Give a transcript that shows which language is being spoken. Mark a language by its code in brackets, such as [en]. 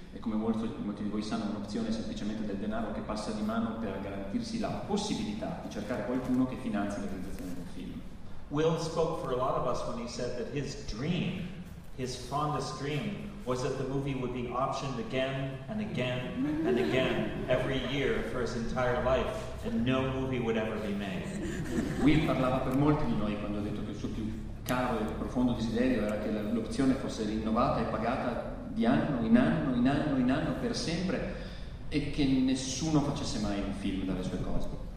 [it] E come molti di voi sanno, un'opzione è semplicemente del denaro che passa di mano per garantirsi la possibilità di cercare qualcuno che finanzi la realizzazione del film. [en] Will spoke for a lot of us when he said that his dream, his fondest dream, was that the movie would be optioned again and again and again every year for his entire life, and no movie would ever be made. [it] Will parlava per molti di noi quando ha detto che il suo più caro e profondo desiderio era che l'opzione fosse rinnovata e pagata di anno in anno in anno in anno per sempre, e che nessuno facesse mai un film dalle sue cose.